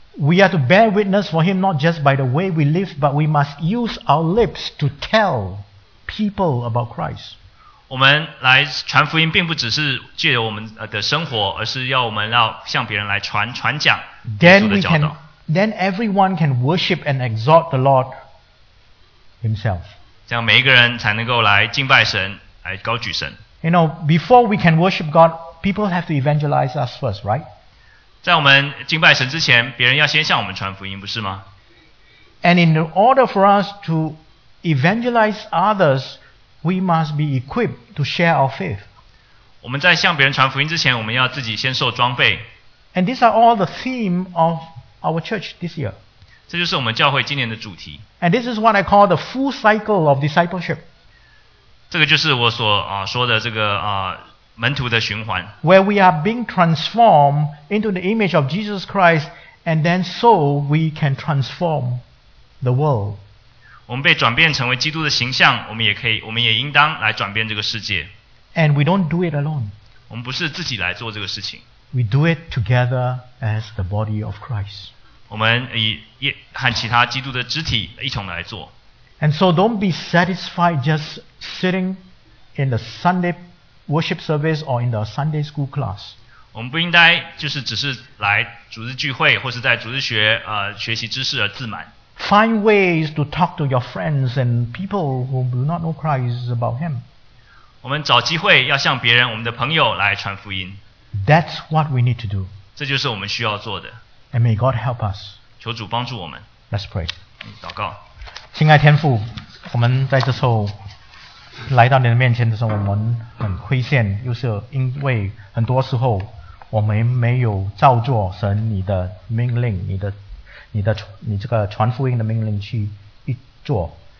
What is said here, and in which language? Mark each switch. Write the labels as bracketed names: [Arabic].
[English] We are to bear witness for Him not just by the way we live, but we must use our lips to tell people about Christ. [Chinese] 我们来传福音并不只是借由我们的生活，而是要我们要向别人来传讲耶稣的教导。 [English] Then everyone can worship and exalt the Lord Himself. [Chinese] 这样每一个人才能够来敬拜神，来高举神。 [English] You know, before we can worship God, people have to evangelize us first, right? [Chinese] 在我们敬拜神之前，别人要先向我们传福音，不是吗？ [English] And in order for us to evangelize others, we must be equipped to share our faith. [Chinese] 我们在向别人传福音之前，我们要自己先受装备。 [English] And these are all the theme of our church this year. [Chinese] 这就是我们教会今年的主题。 [English] And this is what I call the full cycle of discipleship. [Chinese] 这个就是我所说的这个门徒的循环。 [English] Where we are being transformed into the image of Jesus Christ, and then so we can transform the world. [Chinese] 我们被转变成为基督的形象，我们也应当来转变这个世界。 [English] And we don't do it alone. [Chinese] 我们不是自己来做这个事情。 [English] We do it together as the body of Christ. [Chinese] 我们和其他基督的肢体一同来做。 [English] And so don't be satisfied just sitting in the Sunday worship service or in the Sunday school class. [Chinese] 我们不应该就是只是来主日聚会或是在主日学学习知识而自满。 [English] Find ways to talk to your friends and people who do not know Christ about Him. [Chinese] 我们找机会要向别人我们的朋友来传福音。 [English] That's what we need to do. [Chinese] 这就是我们需要做的。 [English] And may God help us. [Chinese] 求主帮助我们。 [English] Let's pray. [Chinese] 祷告。亲爱天父，我们在这时候来到你的面前的时候，我们很亏欠，又是因为很多时候我们没有照做神你的命令，你这个传福音的命令去做。